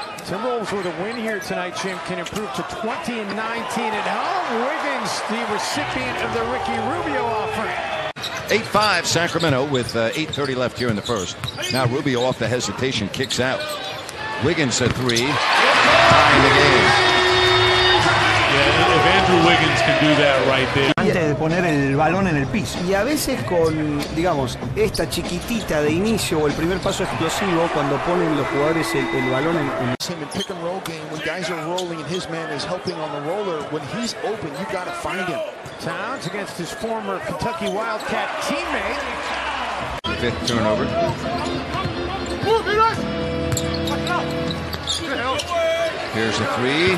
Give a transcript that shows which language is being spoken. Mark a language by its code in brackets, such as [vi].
[en] Timberwolves with a win here tonight, Jim, can improve to 20-19 at home. Wiggins, the recipient of the Ricky Rubio offering. 8-5 Sacramento with 8:30 left here in the first. Now Rubio off the hesitation, kicks out. Wiggins a three. Tying the game. Yeah, if Andrew Wiggins can do that right there. [es] Antes de poner el balón en el piso. Y a veces con, digamos, esta chiquitita de inicio o el primer paso explosivo cuando ponen los jugadores el balón en [en] el pick and roll game when guys are rolling and his man is helping on the roller. When he's open, you gotta find him. Towns against his former Kentucky Wildcat teammate. Fifth turnover. Here's a three.